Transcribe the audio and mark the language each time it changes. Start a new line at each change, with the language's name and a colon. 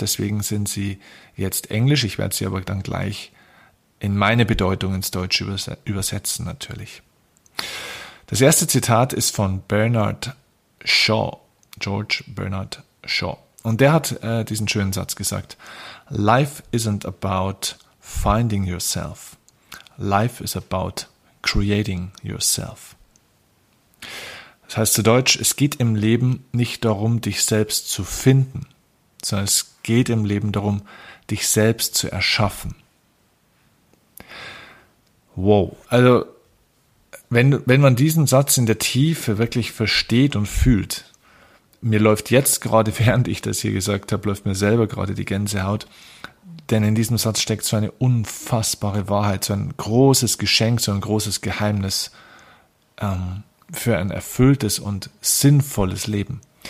German: Deswegen sind sie jetzt Englisch. Ich werde sie aber dann gleich in meine Bedeutung ins Deutsche übersetzen natürlich. Das erste Zitat ist von Bernard Shaw, George Bernard Shaw. Und der hat diesen schönen Satz gesagt.
English: Life isn't about finding yourself. Life is about creating yourself.
German: Das heißt zu Deutsch, es geht im Leben nicht darum, dich selbst zu finden, sondern es geht im Leben darum, dich selbst zu erschaffen. Wow, also wenn man diesen Satz in der Tiefe wirklich versteht und fühlt, mir läuft jetzt gerade, während ich das hier gesagt habe, läuft mir selber gerade die Gänsehaut, denn in diesem Satz steckt so eine unfassbare Wahrheit, so ein großes Geschenk, so ein großes Geheimnis für ein erfülltes und sinnvolles Leben.